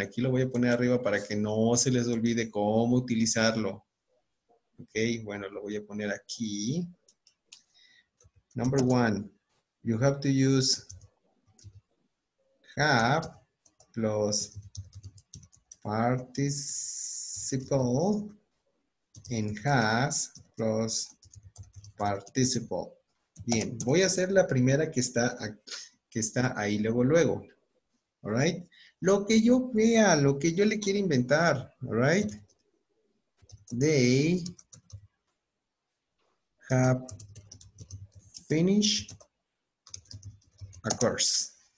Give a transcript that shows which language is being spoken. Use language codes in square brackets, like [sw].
[es] Aquí lo voy a poner arriba para que no se les olvide cómo utilizarlo. Ok, bueno, lo voy a poner aquí. [en] Number one, you have to use have plus participle and has plus participle. [es] Bien, voy a hacer la primera que está ahí luego. [en] All right. [es] Lo que yo vea, lo que yo le quiero inventar. All right. [en] They have finish a course.